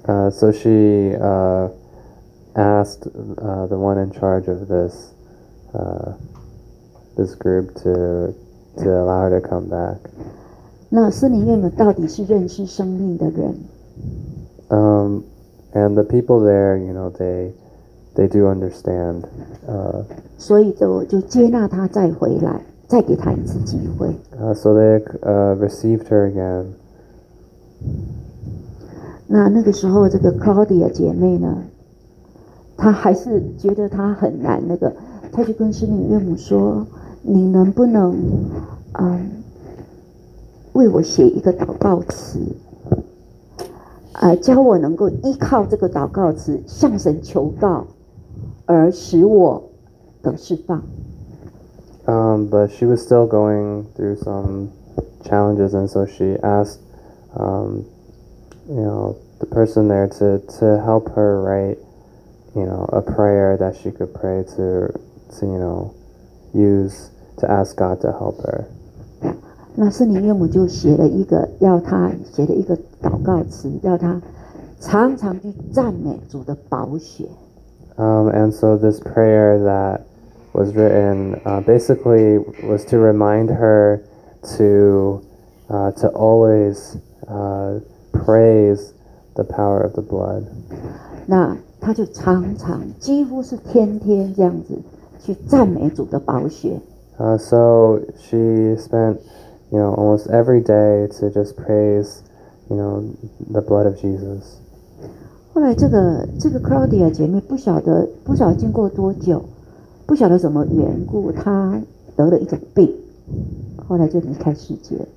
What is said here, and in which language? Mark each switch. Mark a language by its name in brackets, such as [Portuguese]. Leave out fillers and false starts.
[English] So she asked the one in charge of this this group to allow her to come back. [Chinese] 那施灵岳母到底是认识生命的人。 [English] And the people there, you know, they do understand. [Chinese] 所以就接纳他再回来。再给他一次机会。 [English] So they received her again. [Chinese] 那个时候，这个 Claudia 姐妹呢，她还是觉得她很难。那个，她就跟施灵岳母说：“你能不能，为我写一个祷告词？教我能够依靠这个祷告词向神求告，而使我得释放。” [English] But she was still going through some challenges, and so she asked, you know, the person there to help her write, you know, a prayer that she could pray to you know, use to ask God to help her. [Chinese] 那圣灵岳母就写了一个，要她写了一个祷告词，要她常常去赞美主的宝血。 [English] And so this prayer that. Was written basically was to remind her to to always praise the power of the blood. [Chinese] 那他就常常几乎是天天这样子去赞美主的宝血。 [English] So she spent, you know, almost every day to just praise, you know, the blood of Jesus. [Chinese] 后来这个 Claudia 姐妹不晓得经过多久，不晓得什么缘故，她得了一种病，后来就离开世界。